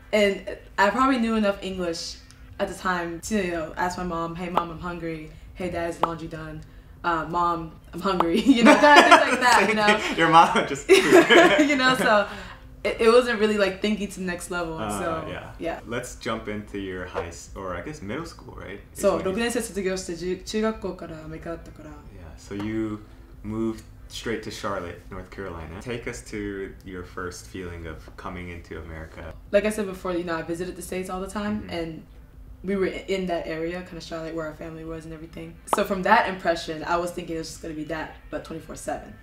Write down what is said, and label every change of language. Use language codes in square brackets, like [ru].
[en] And I probably knew enough English at the time to, you know, ask my mom, hey mom, I'm hungry. Hey dad, is laundry done? Mom, I'm hungry. You know, things like that, you know? Your mom just... You know, so it wasn't really like thinking to the next level, so yeah. Let's jump into your high, or I guess middle school, right? [ja] So, 6年生卒業して中学校からアメリカだったから. [en] Yeah, so you moved straight to Charlotte, North Carolina. Take us to your first feeling of coming into America. Like I said before, you know, I visited the States all the time, and we were in that area, kind of Charlotte, where our family was and everything. So from that impression, I was thinking it was just going to be that, but 24/7.